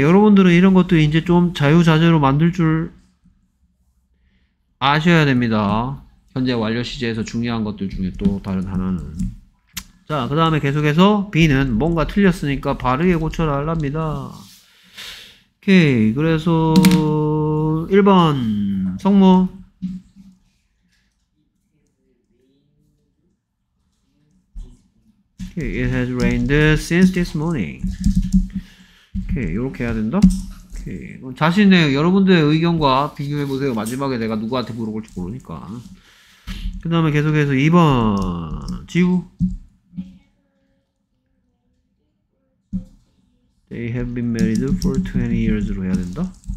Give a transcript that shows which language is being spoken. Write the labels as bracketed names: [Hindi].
[Korean] 여러분들은 이런 것도 이제 좀 자유자재로 만들 줄 아셔야 됩니다. 현재 완료 시제에서 중요한 것들 중에 또 다른 하나는. 자, 그 다음에 계속해서 B는 뭔가 틀렸으니까 바르게 고쳐라 할랍니다. 오케이. 그래서 1번 [English] 성모 It has rained since this morning. [Korean] 오케이, 이렇게 해야 된다. 오케이. 자신의 여러분들의 의견과 비교해 보세요. 마지막에 내가 누구한테 물어볼지 모르니까. 그 다음에 계속해서 2번 지우. [English] They have been married for 20 years로 [Korean] 해야 된다.